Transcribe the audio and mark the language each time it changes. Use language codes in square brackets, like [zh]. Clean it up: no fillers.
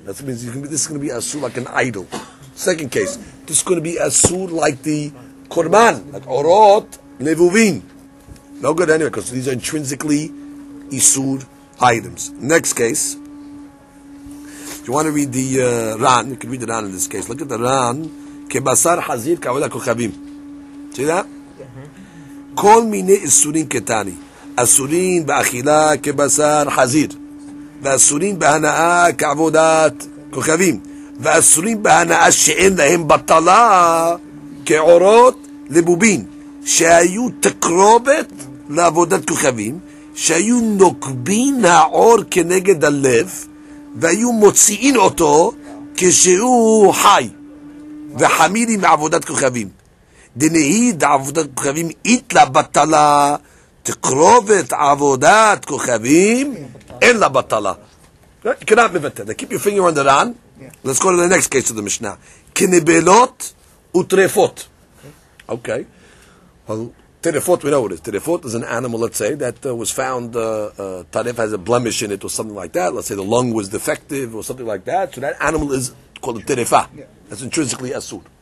[en] That means this is going to be asur like an idol. Second case, this is going to be asur like the korban, like orot levuvin. No good anyway, because these are intrinsically isur items. Next case, if you want to read the ran, you can read the ran in this case. Look at the ran, [he] kebasar hazir kavodah kochavim. [en] See that? [he] כל מיני אסורים קטני, אסורים באכילה כבשר חזיר, ואסורים בהנאה כעבודת כוכבים, ואסורים בהנאה שאין להם בטלה כעורות לבובין, שהיו תקרובת לעבודת כוכבים, שהיו נוקבין העור כנגד הלב, והיו מוציאים אותו כשהוא חי, וחמיר עם עבודת כוכבים. דנאי דעבודת כוכבים איתלה בטלה, תקרובת עבודת כוכבים, אין לה בטלה. [en] You cannot מבטל. Now keep your finger on the run. Let's go to the next case of the Mishnah. [he] כנבלות וטרפות. Okay. [en] Well, טרפות, we know what it is. טרפות is an animal, let's say, that was found, טרף has a blemish in it or something like that. Let's say the lung was defective or something like that. So that animal is called a טרפה. That's intrinsically אסור.